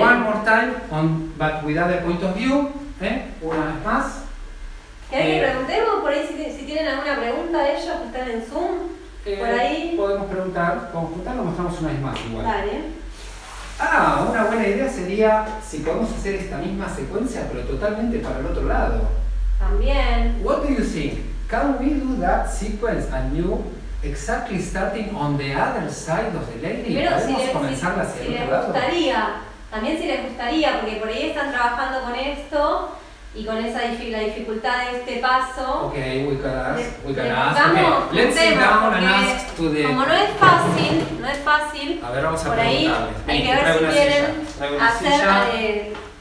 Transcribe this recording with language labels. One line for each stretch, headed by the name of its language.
English: One more time, but with other point of view.
Spanish: Una vez más. ¿Quieren que preguntemos por ahí si tienen alguna pregunta de ellos que están en Zoom? Por ahí. Podemos preguntar, conjuntar, lo mostramos una vez más igual. Dale. Ah, una buena idea sería si podemos hacer esta misma secuencia, pero totalmente para el otro lado. También.
English: What do you think? Can we do that sequence anew, exactly starting on the other side of the lady?
Spanish: Primero, ¿Podemos comenzarla hacia el otro lado? También si les gustaría, porque por ahí están trabajando con esto y con esa la dificultad de este paso.
English: Ok, we can ask.
Spanish: Como no es fácil, A ver, vamos a por ahí hay que ver si quieren hacer